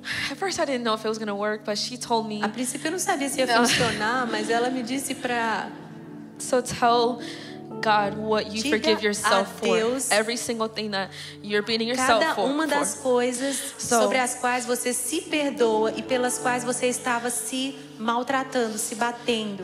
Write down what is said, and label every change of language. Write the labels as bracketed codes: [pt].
[en] At first, I didn't know if it was going to work, but she told me. [pt] A princípio, eu não sabia se ia funcionar, mas ela me disse para. [en] So tell God what you forgive yourself for. Every single thing that you're beating yourself for. [pt] Cada uma das coisas sobre as quais você se perdoa e pelas quais você estava se maltratando, se batendo.